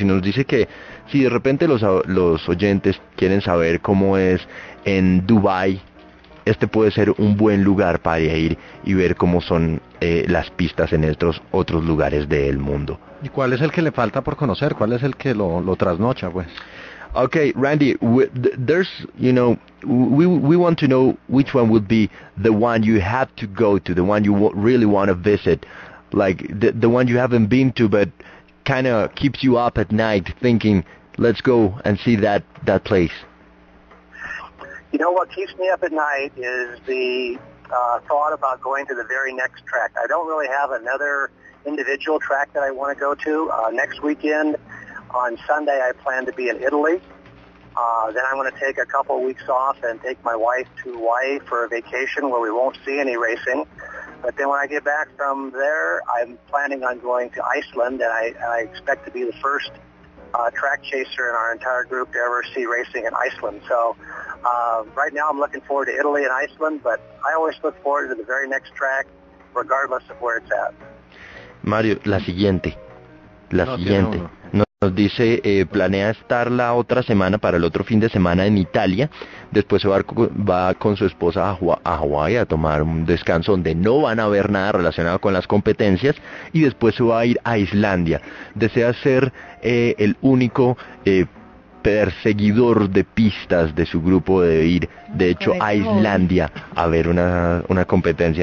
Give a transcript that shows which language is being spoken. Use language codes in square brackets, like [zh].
[es] Y nos dice que si de repente los oyentes quieren saber cómo es en Dubai, este puede ser un buen lugar para ir y ver cómo son las pistas en estos otros lugares del mundo. ¿Y cuál es el que le falta por conocer? ¿Cuál es el que lo trasnocha, pues? [en] Okay, Randy, we want to know which one would be the one you have to go to, the one you really want to visit, like the one you haven't been to but kind of keeps you up at night thinking, let's go and see that place. You know, what keeps me up at night is the thought about going to the very next track. I don't really have another individual track that I want to go to. Next weekend, on Sunday, I plan to be in Italy. Then I'm going to take a couple weeks off and take my wife to Hawaii for a vacation where we won't see any racing. But then when I get back from there, I'm planning on going to Iceland, and I expect to be the first track chaser in our entire group to ever see racing in Iceland. So right now I'm looking forward to Italy and Iceland, but I always look forward to the very next track, regardless of where it's at. [es] Mario, la siguiente. La siguiente. Nos dice, planea estar la otra semana para el otro fin de semana en Italia. Después se va con su esposa a Hawái a tomar un descanso donde no van a ver nada relacionado con las competencias. Y después se va a ir a Islandia. Desea ser el único perseguidor de pistas de su grupo de ir, de hecho, a Islandia a ver una competencia.